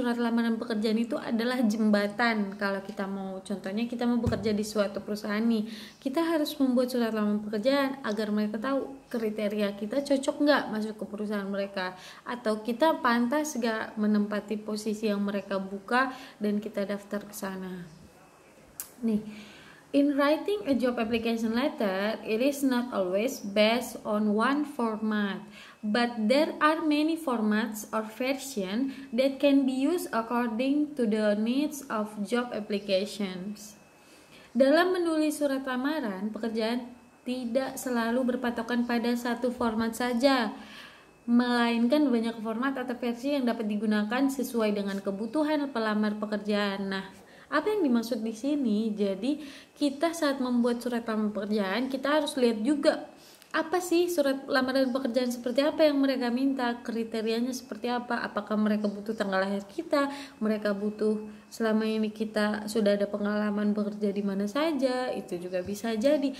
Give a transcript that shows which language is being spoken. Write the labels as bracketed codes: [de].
[id] Surat lamaran pekerjaan itu adalah jembatan. Kalau kita mau, contohnya kita mau bekerja di suatu perusahaan nih, kita harus membuat surat lamaran pekerjaan agar mereka tahu kriteria kita cocok nggak masuk ke perusahaan mereka, atau kita pantas nggak menempati posisi yang mereka buka dan kita daftar ke sana. [en] Nih, in writing a job application letter, it is not always based on one format, but there are many formats or versions that can be used according to the needs of job applications. [id] Dalam menulis surat lamaran pekerjaan tidak selalu berpatokan pada satu format saja, melainkan banyak format atau versi yang dapat digunakan sesuai dengan kebutuhan pelamar pekerjaan. Nah, apa yang dimaksud di sini? Jadi, kita saat membuat surat lamaran pekerjaan, kita harus lihat juga apa sih surat lamaran pekerjaan seperti apa yang mereka minta, kriterianya seperti apa, apakah mereka butuh tanggal lahir kita, mereka butuh selama ini kita sudah ada pengalaman bekerja di mana saja, itu juga bisa jadi.